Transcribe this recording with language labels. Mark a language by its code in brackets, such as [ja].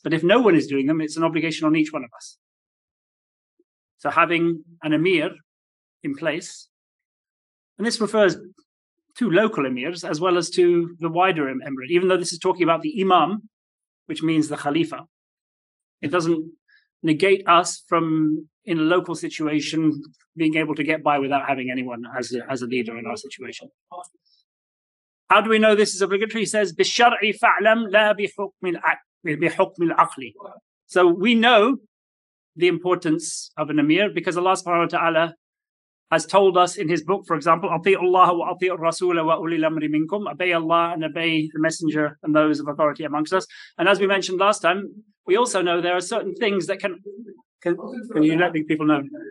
[en] But if no one is doing them, it's an obligation on each one of us. So having an emir in place, and this refers to local emirs as well as to the wider emirate. Even though this is talking about the imam, which means the khalifa, it doesn't negate us from, in a local situation, being able to get by without having anyone as a leader in our situation. How do we know this is obligatory? He says, [ar] بِالشَّرْعِ فَعْلَمْ لَا بِحُكْمِ الْعَقْلِ. [en] So we know the importance of an emir because Allah subhanahu wa ta'ala has told us in his book, for example, [ar] أَطِيعُ اللَّهَ وَأَطِيعُ الرَّسُولَ وَأُولِي الْأَمْرِ مِنْكُمْ, [en] obey Allah and obey the messenger and those of authority amongst us. And as we mentioned last time, we also know there are certain things that can you let the people know?